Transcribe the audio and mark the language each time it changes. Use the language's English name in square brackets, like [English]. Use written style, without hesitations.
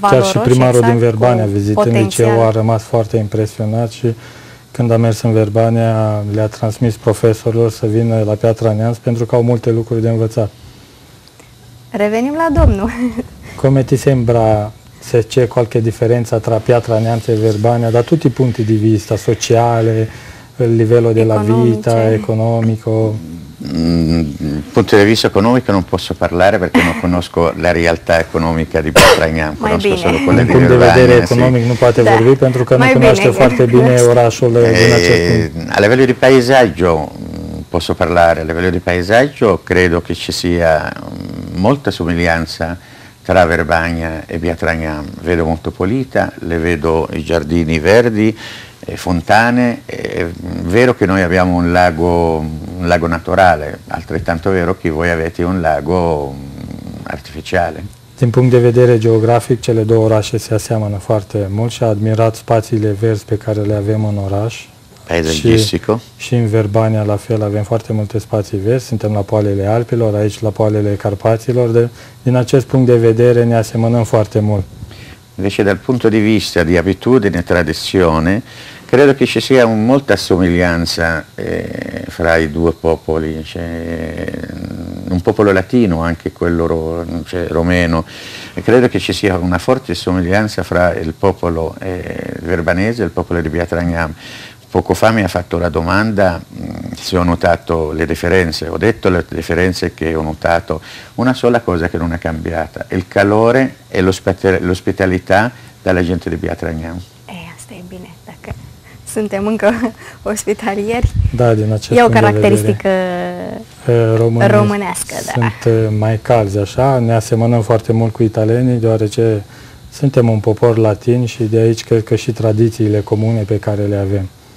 [Romanian] Chiar și primarul din Verbania, vizitând liceu, a rămas foarte impresionat și când a mers în Verbania, le-a transmis profesorilor să vină la Piatra Neamț pentru că au multe lucruri de învățat. Revenim la domnul. [Italian] Come ti sembra, se c'è qualche differenza tra Piatra Neamț e Verbania, da tutti i punti di vista, sociale, il livello della vita, economico? Dal punto di vista economico non posso parlare perché non conosco la realtà economica di Piatra Neamț, conosco solo quella di Verbania. Dal punto di vedere economico non potete vorvi perché non conosco molto bene orașul. A livello di paesaggio posso parlare, a livello di paesaggio credo che ci sia molta somiglianza tra Verbania e Piatra Neamț, vedo molto pulita, le vedo i giardini verdi, fontane, è vero che noi abbiamo un lago naturale, altrettanto vero che voi avete un lago artificiale. [Romanian] Din punct de vedere geografic, cele două orașe se aseamănă foarte mult și a admirat spațiile verzi pe care le avem în oraș. [Italian] Paisagistico. [Romanian] Și în Verbania la fel avem foarte multe spații verzi, suntem la poalele Alpilor, aici la poalele Carpaților, din acest punct de vedere ne asemănăm foarte mult. [Italian] Invece dal punto di vista di abitudine e tradizione, credo che ci sia molta somiglianza fra i due popoli, cioè, un popolo latino, anche quello cioè, romeno, e credo che ci sia una forte somiglianza fra il popolo verbanese e il popolo di Piatra Neamț. Poco fa mi ha fatto la domanda se ho notato le differenze, ho detto le differenze che ho notato, una sola cosa che non è cambiata, il calore e l'ospitalità dalla gente di Piatra Neamț. [Romanian] Stai bene, dacă suntem încă ospitalieri, da, din acest e o caracteristică românească. Da. Sunt mai calzi, așa, ne asemănăm foarte mult cu italienii, deoarece suntem un popor latin și de aici cred că și tradițiile comune pe care le avem.